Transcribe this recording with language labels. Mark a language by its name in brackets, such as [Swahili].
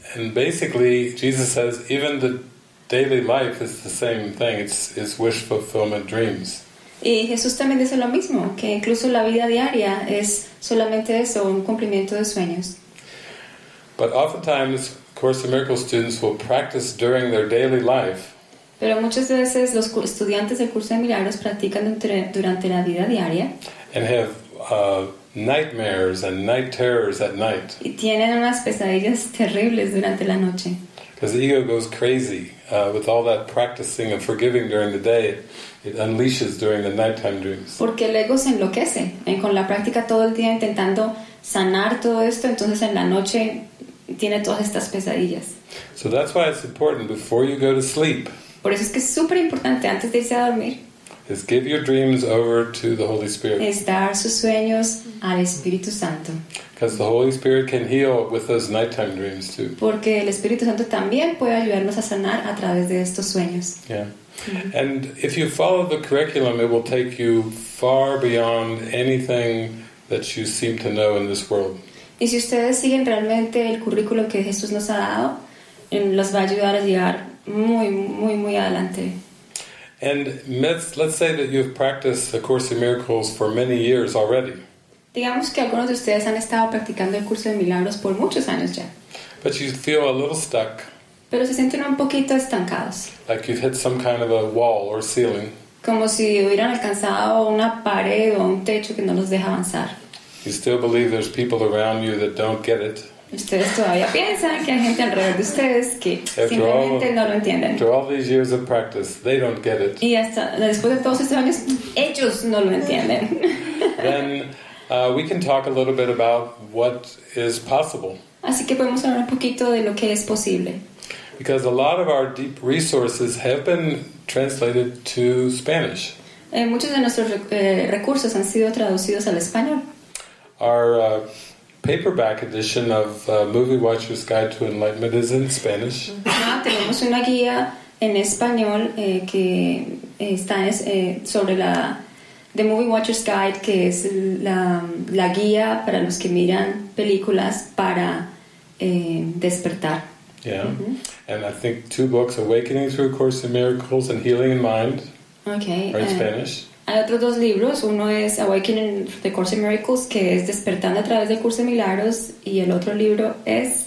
[English] and basically, Jesus says even the daily life is the same thing. It's wish fulfillment dreams. [Spanish] Y Jesús también dice lo mismo, que incluso la vida diaria es solamente eso, un cumplimiento de sueños. [English] But oftentimes, Course in Miracles students will practice during their daily life. [Spanish] Pero muchas veces los estudiantes del curso de milagros practican durante la vida diaria. [English] And have nightmares and night terrors at night. [Spanish] Y tienen unas pesadillas terribles durante la noche. [English] Because the ego goes crazy with all that practicing of forgiving during the day, it unleashes during the nighttime dreams. [Spanish] Porque el ego se enloquece y con la práctica todo el día intentando sanar todo esto, entonces en la noche tiene todas estas pesadillas. [English] So that's why it's important before you go to sleep. [Spanish] Por eso es que es súper importante antes de irse a dormir. [English] Is give your dreams over to the Holy Spirit. [Spanish] Es dar sus sueños al Espíritu Santo. [English] Because the Holy Spirit can heal with those nighttime dreams too. [Spanish] Porque el Espíritu Santo también puede ayudarnos a sanar a través de estos sueños. [English] Yeah. Mm-hmm. And if you follow the curriculum, it will take you far beyond anything that you seem to know in this world. [Spanish] Y si ustedes siguen realmente el currículum que Jesús nos ha dado, los va a ayudar a llegar muy, muy, muy adelante. [English] And let's say that you've practiced the Course in Miracles for many years already. [Spanish] Digamos que algunos de ustedes han estado practicando el curso de milagros por muchos años ya. [English] But you feel a little stuck. [Spanish] Pero se sienten un poquito estancados. [English] Like you've hit some kind of a wall or ceiling. [Spanish] Como si hubieran alcanzado una pared o un techo que no los deja avanzar. [English] You still believe there's people around you that don't get it. [Spanish] Ustedes todavía piensan que hay gente alrededor de ustedes que simplemente no lo entienden. [English] After all these years of practice, they don't get it. [Spanish] Y hasta después de todos estos años, ellos no lo entienden. [English] Then we can talk a little bit about what is possible. [Spanish] Así que podemos hablar un poquito de lo que es posible. [English] because a lot of our deep resources have been translated to Spanish. [Spanish] Muchos de nuestros recursos han sido traducidos al español. [English] Our paperback edition of Movie Watcher's Guide to Enlightenment is in Spanish. [Spanish] Tenemos una guía en español que está sobre la The Movie Watcher's Guide, que es la guía para los que miran películas para despertar. [English] Yeah, and I think two books, Awakening Through A Course in Miracles and Healing in Mind, okay, are in Spanish. [Spanish] Hay otros dos libros. Uno es Awakening Through A Course in Miracles, que es Despertando a Través del Curso de Milagros, y el otro libro es